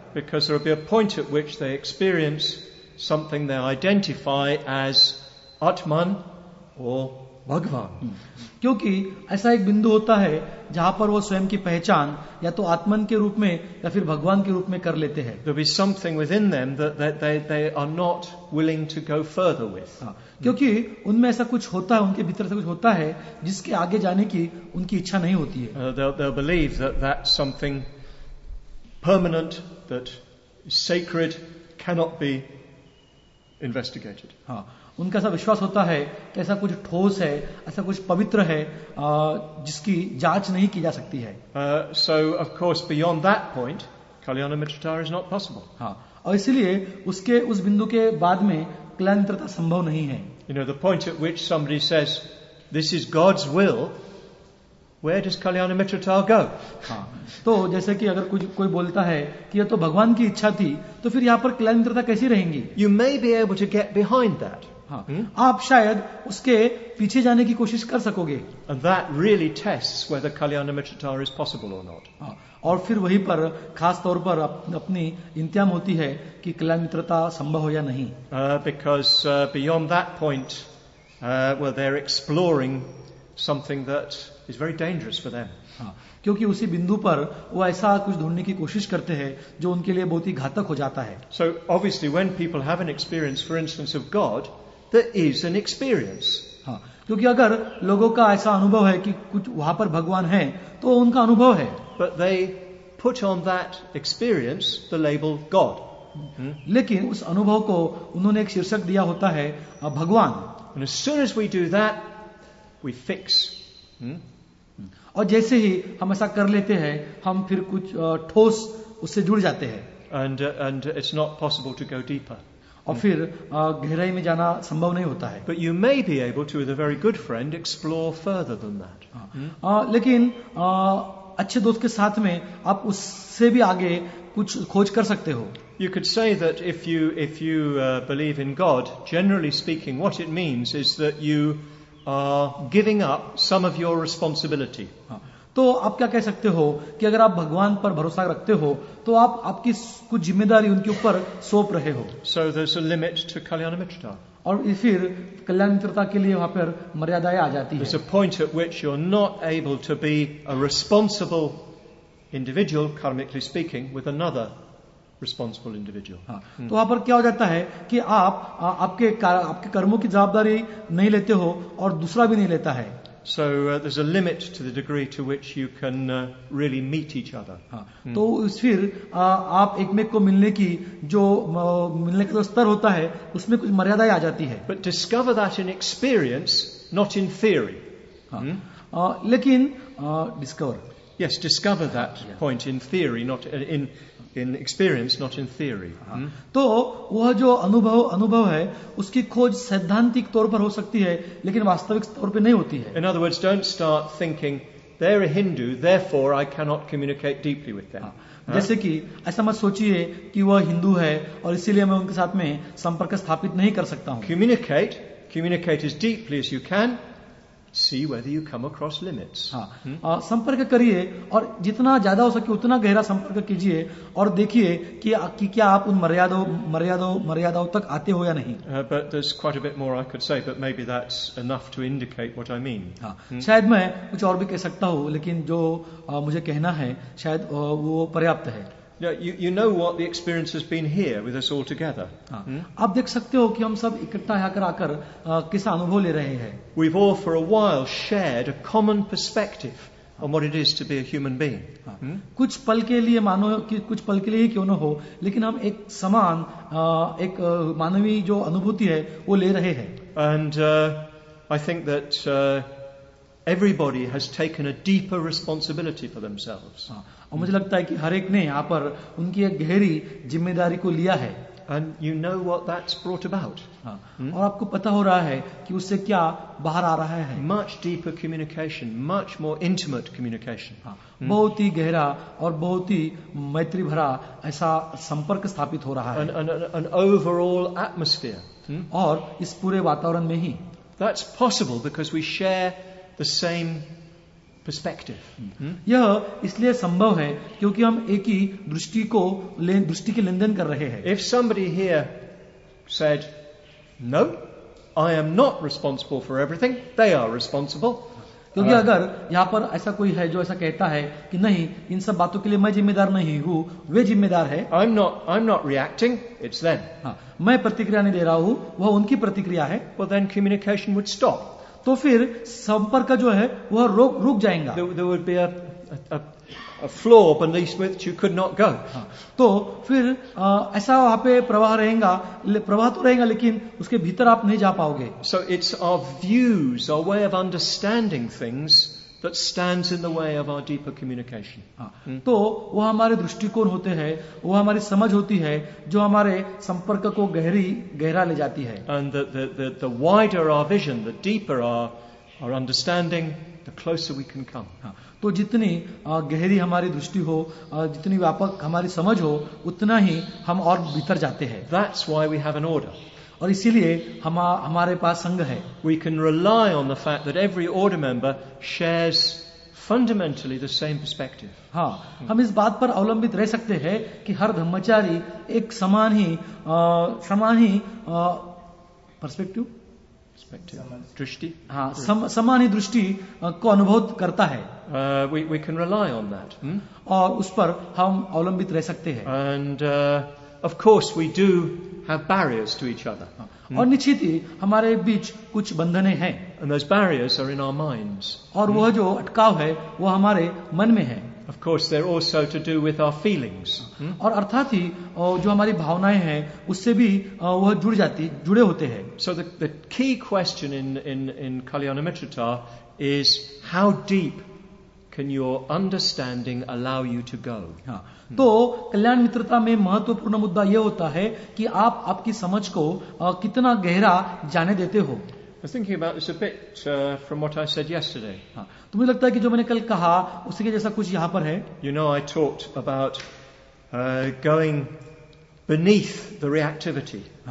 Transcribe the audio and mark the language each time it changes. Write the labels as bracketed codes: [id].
[en] because there will be a point at which they experience something they identify as atman [hi] और भगवान, क्योंकि ऐसा एक बिंदु होता है जहां पर वो स्वयं की पहचान या तो आत्मन के रूप में या फिर भगवान के रूप में कर लेते हैं. [en] There is something within them that they are not willing to go further with. [hi] क्योंकि उनमें ऐसा कुछ होता है, उनके भीतर से कुछ होता है जिसके आगे जाने की उनकी इच्छा नहीं होती है. [en] They believe that's something permanent, that sacred, cannot be investigated. [hi] उनका ऐसा विश्वास होता है कि ऐसा कुछ ठोस है, ऐसा कुछ पवित्र है जिसकी जांच नहीं की जा सकती है. [en] So of course beyond that point, Kalyanamitratā is not possible. [hi] और इसलिए उसके उस बिंदु के बाद में कल्याणमित्रता संभव नहीं है. [en] You know, the point at which somebody says this is God's will, where does Kalyanamitratā go? [hi] तो जैसे कि अगर कोई बोलता है कि यह तो भगवान की इच्छा थी, तो फिर यहाँ पर कल्याणमित्रता कैसी रहेंगी? [en] You may be able to get behind that. [hi] आप शायद उसके पीछे जाने की कोशिश कर सकोगे. [en] And that really tests whether Kalyanamitratā is possible or not. [hi] और फिर वहीं पर खास तौर पर अपनी इंतजाम होती है कि कल्याणमित्रता संभव हो या नहीं. [en] Because beyond that point, well, they're exploring something that is very dangerous for them. [hi] क्योंकि उसी बिंदु पर वो ऐसा कुछ ढूंढने की कोशिश करते हैं जो उनके लिए बहुत ही घातक हो जाता है. [en] So obviously when people have an experience, for instance, of God, there is an experience. [hi] क्योंकि अगर लोगों का ऐसा अनुभव है कि कुछ वहां पर भगवान है, तो उनका अनुभव है. [en] But they put on that experience the label God. [hi] लेकिन उस अनुभव को उन्होंने एक शीर्षक दिया होता है भगवान. [en] And as soon as we do that, we fix. [hi] और जैसे ही हम ऐसा कर लेते हैं, हम फिर कुछ ठोस उससे जुड़ जाते हैं. [en] And it's not possible to go deeper. [hi] और फिर गहराई में जाना संभव नहीं होता है. [en] But you may be able to, with a very good friend, explore further than that. [hi] लेकिन अच्छे दोस्त के साथ में आप उससे भी आगे कुछ खोज कर सकते हो. [en] You could say that if you believe in God, generally speaking, what it means is that you are giving up some of your responsibility. [hi] तो आप क्या कह सकते हो कि अगर आप भगवान पर भरोसा रखते हो, तो आप आपकी कुछ जिम्मेदारी उनके ऊपर सौंप रहे हो. [en] So there's a limit to Kalyanamitratā. [hi] और फिर कल्याणमित्रता के लिए वहां पर मर्यादाएं आ जाती है. [en] There's a point at which you're not able to be a responsible individual, karmically speaking, with another responsible individual. [hi] तो वहां पर क्या हो जाता है कि आप आपके कर्मों की जवाबदारी नहीं लेते हो और दूसरा भी नहीं लेता है. [en] So there's a limit to the degree to which you can really meet each other. [hi] तो फिर आप एक-एक को मिलने की जो मिलने का जो स्तर होता है उसमें कुछ मर्यादाएं आ जाती है. [en] But discover that in experience, not in theory. [hi] लेकिन discover. [en] Yes, discover that point in theory, not in experience, not in theory. [hi] तो वह जो अनुभव है उसकी खोज सैद्धांतिक तौर पर हो सकती है, लेकिन वास्तविक तौर पर नहीं होती है. [en] In other words, don't start thinking they're a Hindu, therefore I cannot communicate deeply with them. [hi] जैसे कि ऐसा मत सोचिए कि वह हिंदू है और इसीलिए मैं उनके साथ में संपर्क स्थापित नहीं कर सकता हूँ. [en] Communicate as deeply as you can. See whether you come across limits. [hi] संपर्क करिए और जितना ज्यादा हो सके उतना गहरा संपर्क कीजिए और देखिए कि क्या आप उन मर्यादाओं तक आते हो या नहीं. [en] But there's quite a bit more I could say, but maybe that's enough to indicate what I mean. [hi] शायद मैं कुछ और भी कह सकता हूँ, लेकिन जो मुझे कहना है शायद वो पर्याप्त है. [en] Yeah, you know what the experience has been here with us all together. [hi] आप देख सकते हो कि हम सब इकट्ठा यहाँ आकर किस अनुभव ले रहे हैं. [en] We've all for a while shared a common perspective on what it is to be a human being. [hi] कुछ पल के लिए मानो कि कुछ पल के लिए ही क्यों न हो, लेकिन हम एक समान एक मानवीय जो अनुभूति है वो ले रहे हैं. [en] And I think that everybody has taken a deeper responsibility for themselves. [hi] और मुझे लगता है कि हर एक ने यहाँ पर उनकी एक गहरी जिम्मेदारी को लिया है. [en] And you know what that's brought about. [hi] और आपको पता हो रहा है कि उससे क्या बाहर आ रहा है. [en] Much deeper communication, much more intimate communication. [hi] बहुत ही गहरा और बहुत ही मैत्री भरा ऐसा संपर्क स्थापित हो रहा है. [en] An overall atmosphere. [hi] और इस पूरे वातावरण में ही. [en] That's possible because we share the same perspective. [hi] यह इसलिए संभव है क्योंकि हम एक ही दृष्टि को दृष्टि के लेन देन कर रहे हैं. [en] If somebody here said, no, I am not responsible for everything, they are responsible. [hi] क्योंकि अगर यहाँ पर ऐसा कोई है जो ऐसा कहता है कि नहीं इन सब बातों के लिए मैं जिम्मेदार नहीं हूँ, वे जिम्मेदार है. [en] I'm not reacting, it's them. [hi] मैं प्रतिक्रिया नहीं दे रहा हूँ, वह उनकी प्रतिक्रिया है. [en] Well, then communication would stop. [hi] तो फिर संपर्क जो है वह रुक जाएगा. [en] There would be a flaw beneath which you could not go. [hi] तो फिर ऐसा वहाँ पे प्रवाह तो रहेगा लेकिन उसके भीतर आप नहीं जा पाओगे. [en] So it's our views, our way of understanding things that stands in the way of our deeper communication. [hi] तो वो हमारे दृष्टिकोण होते हैं, वो हमारी समझ होती है जो हमारे संपर्क को गहरा ले जाती है. [en] And the wider our vision, the deeper our understanding, the closer we can come. [hi] तो जितनी गहरी हमारी दृष्टि हो, जितनी व्यापक हमारी समझ हो, उतना ही हम और भीतर जाते हैं. [en] That's why we have an order. [hi] और इसीलिए हमारे पास संघ है. [en] We can rely on the fact that every order member shares fundamentally the same perspective. [hi] हाँ, हम इस बात पर अवलंबित रह सकते हैं कि हर धर्मचारी एक समान ही पर्सपेक्टिव दृष्टि हाँ समान ही दृष्टि को अनुभव करता है. [en] We can rely on that. [hi] और उस पर हम अवलंबित रह सकते हैं. [en] And of course we do have barriers to each other. [hi] और निश्चित ही हमारे बीच कुछ बंधने हैं. [en] And those barriers are in our minds. [hi] और वह जो अटकाव है वो हमारे मन में है. [en] Of course they're also to do with our feelings. [hi] और अर्थात ही जो हमारी भावनाएं हैं उससे भी वह जुड़े होते हैं. [en] So the key question in Kalyanamitrata is how deep can your understanding allow you to go? [hi] तो कल्याण मित्रता में महत्वपूर्ण मुद्दा यह होता है कि आप आपकी समझ को कितना गहरा जाने देते हो. [en] I'm thinking about this a bit from what I said yesterday. [hi] तुम्हें लगता है कि जो मैंने कल कहा उसी के जैसा कुछ यहाँ पर है? [en] You know, I talked about going beneath the reactivity.